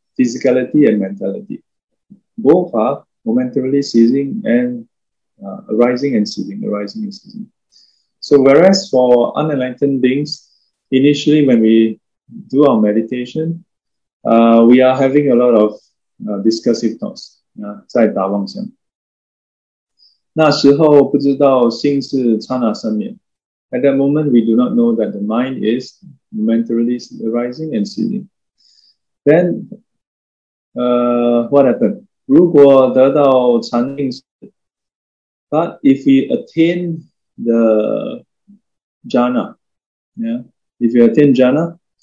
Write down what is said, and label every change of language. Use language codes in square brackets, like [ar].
[en] Physicality and mentality. Both are momentarily ceasing and arising and ceasing, arising and ceasing. So whereas for unenlightened beings, initially when we do our meditation, we are having a lot of discursive thoughts. [zh] 在打妄想. 那时候不知道心是刹那生灭. [en] At that moment, we do not know that the mind is momentarily arising and ceasing. Then, what happened? [zh] 如果得到禅定时, [en] but if we attain the jhana, yeah, if we attain jhana,